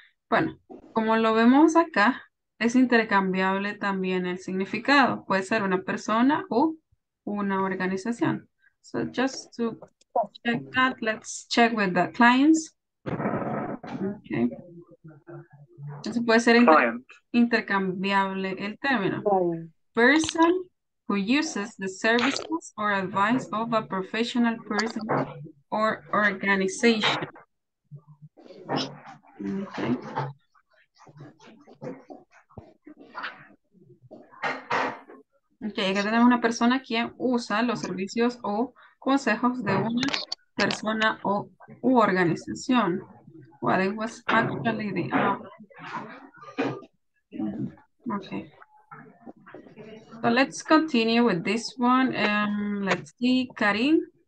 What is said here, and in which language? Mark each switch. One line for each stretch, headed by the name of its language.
Spanish: Bueno, como lo vemos acá, es intercambiable también el significado. Puede ser una persona o una organización.
English: So just to check that, let's check with the clients.
Spanish: Ok. Entonces puede ser intercambiable el término.
English: Person who uses the services or advice of a professional person or organization. Okay.
Spanish: Okay, acá tenemos una persona quien usa los servicios o consejos de una persona o u organización.
English: Well, it was actually the okay. So let's continue with this one. Let's see, Karin.